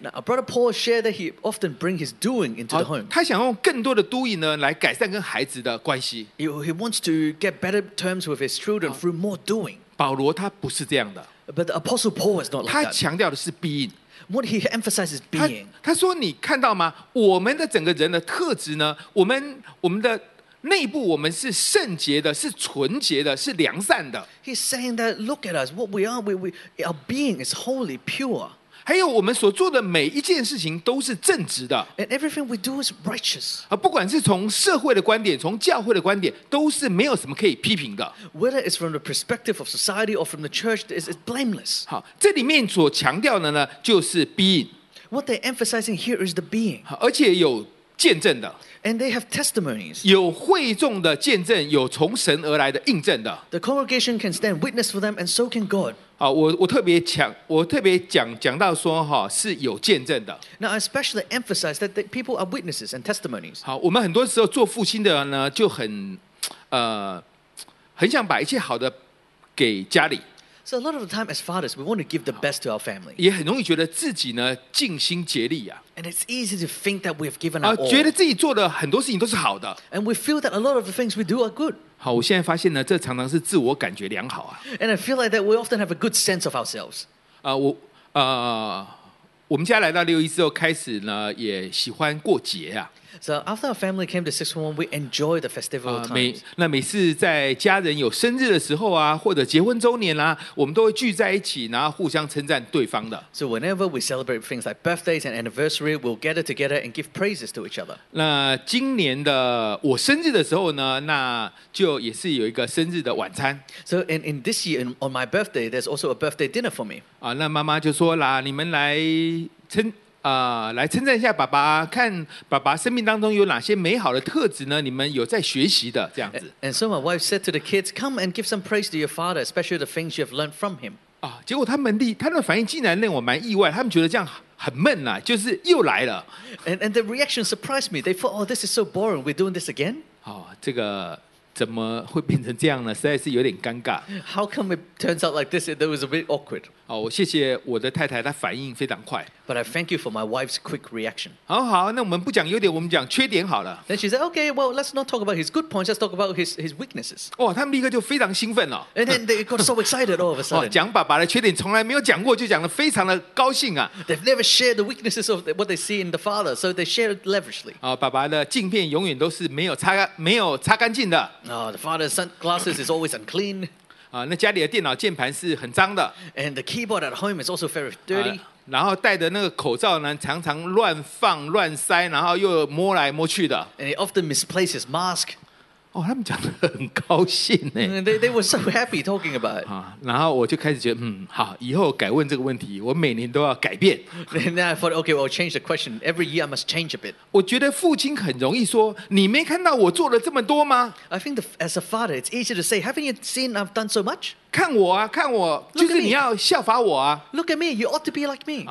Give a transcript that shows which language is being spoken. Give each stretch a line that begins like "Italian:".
English: Now, our brother Paul shared that he often brings his doing into the home.
Chinese: 他想用更多的 doing 呢来改善跟孩子的关系。
English: He wants to get better terms with his children through more doing.
Chinese: 保罗他不是这样的。
English: But the apostle Paul is not like that.
Chinese: 他强调的是 being.
English: What he emphasizes is being.
Chinese: 他说你看到吗？我们的整个人的特质呢？我们的内部我们是圣洁的，是纯洁的，是良善的。
English: He's saying that look at us, what we are, we our being is holy, pure.
Chinese: 还有我们所做的每一件事情都是正直的。
English: And everything we do is righteous.
Chinese: 不管是从社会的观点，从教会的观点，都是没有什么可以批评的。
English: Whether it's from the perspective of society or from the church, it's blameless.
Chinese: 好，这里面所强调的呢，就是 being.
English: What they're emphasizing here is the being.
Chinese: 而且有见证的。
English: And they have testimonies.
Chinese: 有会众的见证，有从神而来的印证的。
English: The congregation can stand witness for them, and so can God.
Chinese: 好，我特别讲到说，是有见证的。
English: Now I especially emphasize that the people are witnesses and testimonies.
Chinese: 好，我们很多时候做父亲的呢，就很想把一切好的给家里。
English: So a lot of the time, as fathers, we want to give the best to our family.
Chinese: 也很容易觉得自己呢尽心竭力啊。
English: And it's easy to think that we have given our all.
Chinese: 觉得自己做的很多事情都是好的。
English: And we feel that a lot of the things we do are good.
Chinese: 好，我现在发现呢，这常常是自我感觉良好啊。
English: And I feel like that we often have a good sense of ourselves.
Chinese: 我们家来到六一之后，开始呢也喜欢过节啊。
English: So after our family came to 611, we enjoyed the festival times.
Chinese: 那每次在家人有生日的时候啊，或者结婚周年啊，我们都会聚在一起，然后互相称赞对方的。
English: So whenever we celebrate things like birthdays and anniversary, we'll gather together and give praises to each other.
Chinese: 那今年的我生日的时候呢，那就也是有一个生日的晚餐。
English: So in this year, on my birthday, there's also a birthday dinner for me.
Chinese: 那妈妈就说啦，你们来称。来称赞一下爸爸，看爸爸生命当中有哪些美好的特质呢？你们有在学习的这样子。
English: And so my wife said to the kids, "Come and give some praise to your father, especially the things you have learned from him."
Chinese: 结果他们反应竟然令我蛮意外，他们觉得这样很闷啊，就是又来了。
English: And the reaction surprised me. They thought, oh, this is so boring. We're doing this again.
Chinese: 哦，这个怎么会变成这样呢？实在是有点尴尬。
English: How come it turns out like this? It was a bit awkward.
Chinese: 哦，谢谢我的太太，她反应非常快。
English: But I thank you for my wife's quick reaction.
Chinese: 好好，那我们不讲优点，我们讲缺点好了。
English: Then she said, okay, well, let's not talk about his good points. Let's talk about his weaknesses.
Chinese: 哦，他们立刻就非常兴奋了。
English: And then they got so excited all of a sudden.
Chinese: 哦，讲爸爸的缺点从来没有讲过，就讲得非常的高兴啊。
English: They've never shared the weaknesses of what they see in the father, so they shared it lavishly.
Chinese: 哦，爸爸的镜片永远都是没有擦干净的。
English: Oh, the father's sunglasses is always unclean.
Chinese: 啊，那家里的电脑键盘是很脏的。
English: And the keyboard at home is also very dirty.
Chinese: 然后戴的那个口罩呢，常常乱放乱塞，然后又摸来摸去的。
English: And he often misplaces his mask.
Chinese: 哦，他们讲得很高兴呢。
English: They were so happy talking about it.
Chinese: 啊，然后我就开始觉得，好，以后改问这个问题，我每年都要改变。
English: Then I thought, okay, well, change the question. Every year I must change a bit.
Chinese: 我觉得父亲很容易说，你没看到我做了这么多吗
English: ？I think as a father, it's easy to say, haven't you seen I've done so much?
Chinese: 看我啊，看我，就是你要效法我啊。
English: Look at me, you ought to be like me.